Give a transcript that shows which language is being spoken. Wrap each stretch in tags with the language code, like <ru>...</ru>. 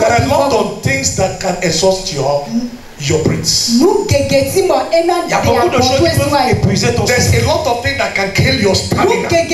<en>There are a lot of things that can exhaust your brains.</en> <fr>Il y a beaucoup de choses qui peuvent épuiser ton cerveau.</fr> <en>There's a lot of things that can kill your stamina.</en>